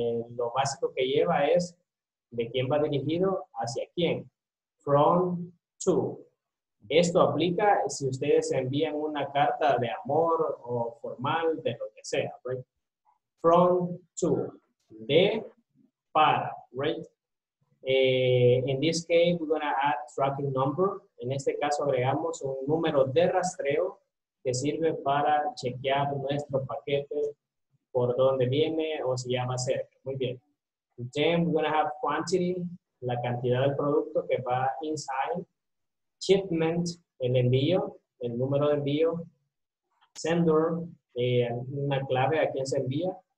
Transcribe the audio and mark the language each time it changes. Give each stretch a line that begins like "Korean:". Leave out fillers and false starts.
Spanish: Lo básico que lleva es de quién va dirigido, hacia quién.
English: From to.
Spanish: Esto aplica si ustedes envían una carta de amor o formal, de lo que sea, right?
English: From to.
Spanish: De para,
English: right? In this case, we're going to add tracking number.
Spanish: En este caso, agregamos un número de rastreo que sirve para chequear nuestro paquete por dónde viene o si ya va cerca. Muy bien.
English: Then we're going to have quantity,
Spanish: la cantidad del producto que va
English: inside.
Spanish: Shipment, el envío, el número de envío. Sender, una clave a quién se envía.